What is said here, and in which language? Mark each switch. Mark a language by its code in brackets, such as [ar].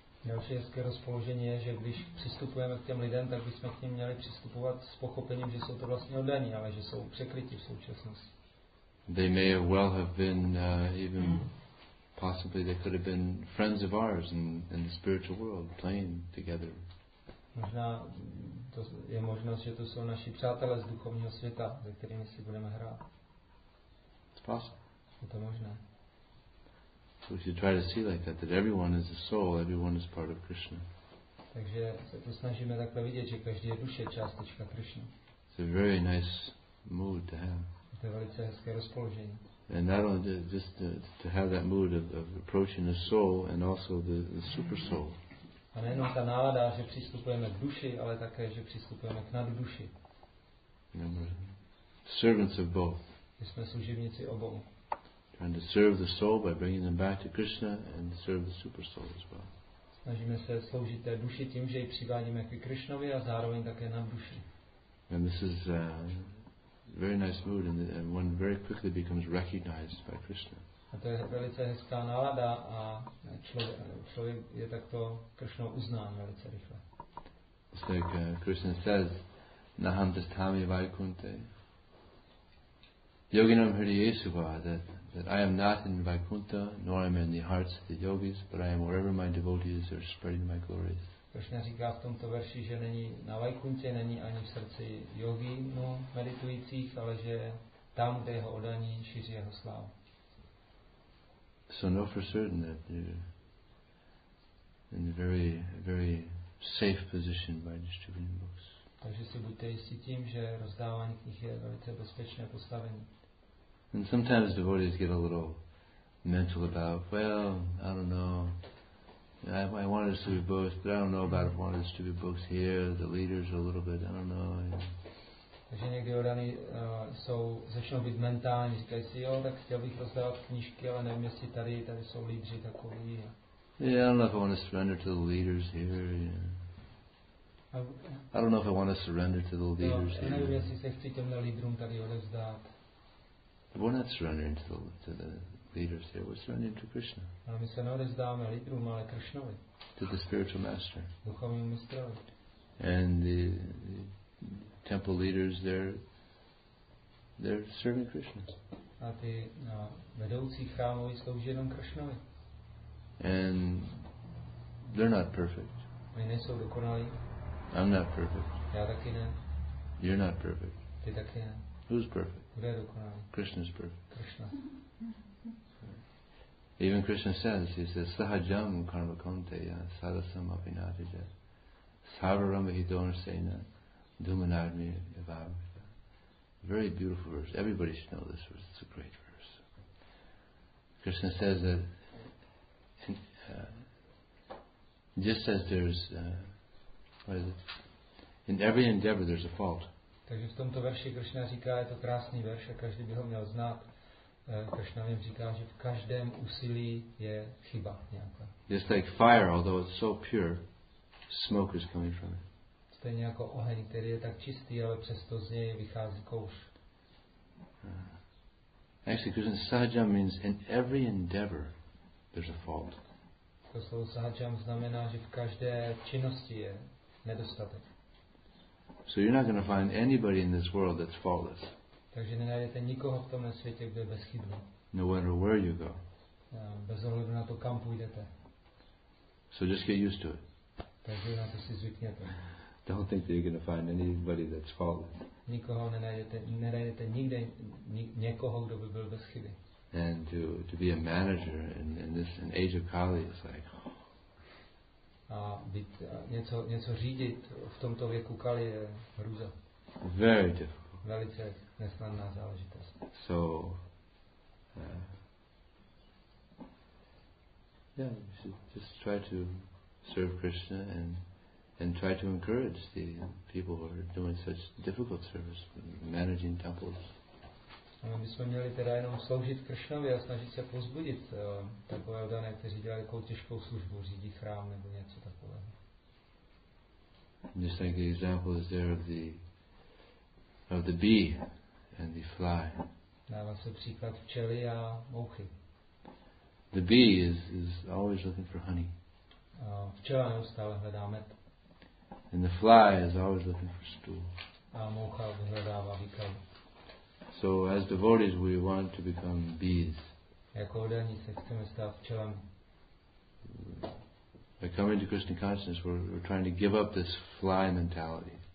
[cs] Další hezké rozpoložení je, že když přistupujeme k těm lidem, tak bychom k ním měli přistupovat s pochopením, že jsou to vlastně oddaní, ale že jsou překryti v současnosti. [en] They may well have been even possibly they could have been friends of ours in the spiritual world playing together. [cs] Možná to je možnost, že to jsou naši přátelé z duchovního světa, se kterými si budeme hrát. [en] It's possible. [cs] Je to možné. [en] So we should try to see like that everyone is a soul, everyone is part of Krishna. [cs] Takže se to snažíme takhle vidět, že každý je duše, částečka Krishna. [en] It's a very nice mood to have. [cs] To je velice hezké rozpoložení. [en] And not only just to have that mood of approaching the soul and also the super soul. [cs] A nejenom ta nálada, že přistupujeme k duši, ale také, že přistupujeme k nadduši. [en] Servants of both. [cs] My jsme služebníci obou. [en] And to serve the soul by bringing them back to Krishna and serve the super soul as well. [cs] Snažíme se sloužit té duši tím, že ji přivádíme ke Krishnovi a zároveň také na duši. [en] And this is a very nice mood and one very quickly becomes recognized by Krishna. [cs] A to je velice hezká nálada a člověk je takto Krishnou uznán velice rychle. [en] It's like Krishna says, [sa] Naham tasthami vaikunte. Yoginam hriyesuva, [en] that I am not in Vaikuntha, nor am I in the hearts of the yogis, but I am wherever my devotees are spreading my glories. [cs] Krishna říká v tomto verši, že není na Vaikuntě, není ani v srdci yoginů meditujících, ale že tam, kde jeho oddaní šíří jeho slávu. [en] So know for certain that in a very, very safe position by distributing books. [cs] Takže si buďte jistí tím, že rozdávání knih je velice bezpečné postavení. [en] And sometimes devotees get a little mental about, well, I don't know, I want to distribute books, but I don't know about wanting to distribute books here, the leaders are a little bit, I don't know. [cs] Takže někdy odaní jsou, začnou být mentální, říkají si, jo, tak chtěl bych rozdávat knížky, ale nevím, jestli tady, tady jsou lídři takový. [en] Yeah, I don't know if I want to surrender to the leaders here, yeah. I don't know if I want to surrender to the leaders here. [cs] Nevím, jestli se chci těmhle lídrům tady odevzdát. [en] We're not surrendering to the leaders here, we're surrendering to Krishna. [cs] Ale my se neodevzdáme lídrům, ale Krishnovi. [en] To the spiritual master. [cs] Duchovnímu mistrovi. [en] And the temple leaders, they're serving Krishna. [cs] A ty vedoucí chrámoví slouží jenom Krishnovi. [en] And they're not perfect. [cs] Oni nejsou dokonalí. [en] I'm not perfect. [cs] Já taky ne. [en] You're not perfect. [cs] Ty taky ne. [en] Who's perfect? [cs] Kdo je dokonalý? [en] Krishna's perfect. [cs] Krishna. [en] Even Krishna says, he says, [sa] sahajam karma kanteya sarasam apinatija sarvaram hidon sena dumanadmi evavita. [en] Very beautiful verse. Everybody should know this verse. It's a great verse. Krishna says that just as there's what is it? In every endeavor there's a fault. [cs] Takže v tomto verši Krishna říká, je to krásný verš a každý by ho měl znát. Krishna jim říká, že v každém úsilí je chyba nějaká. [en] Just like fire, although it's so pure, smoke is coming from it. [cs] Stejně jako oheň, který je tak čistý, ale přesto z něj vychází kouř. [en] Actually, Krishna sahaja means in every endeavor there's a fault. [cs] To slovo sahaja znamená, že v každé činnosti je nedostatek. [en] So you're not going to find anybody in this world that's faultless. [cs] Takže nenajdete nikoho v tomhle světě, kdo je bezchybný. [en] No matter where you go. [cs] Bez ohledu na to, kam půjdete. [en] So just get used to it. [cs] Takže na to si zvykněte. [en] Don't think that you're going to find anybody that's faultless. [cs] Nikoho nenajdete nikde někoho, kdo by byl bez chyby. [en] And to be a manager in this in age of Kali is like. [cs] A být něco řídit v tomto věku Kali je hrůza. [en] Very difficult. [cs] Velice nesnadná záležitost. [en] So, yeah, you should just try to serve Krishna and try to encourage the people who are doing such difficult service, managing temples. [cs] My bychom měli teda jenom sloužit Krishnovi a snažit se pozbudit takové dané, kteří dělají takovou těžkou službu, řídí chrám nebo něco takového. [en] Just like the example is there of the bee and the fly. [cs] Dává se příklad včely a mouchy. [en] The bee is always looking for honey. [cs] Včela neustále hledá med. [en] And the fly is always looking for stool. [cs] A moucha vyhledává výkal. [en] So as devotees we want to become bees. [cs] Jako odaní se chceme stát včelami. [en] By coming to Krishna consciousness we're trying to give up this fly mentality.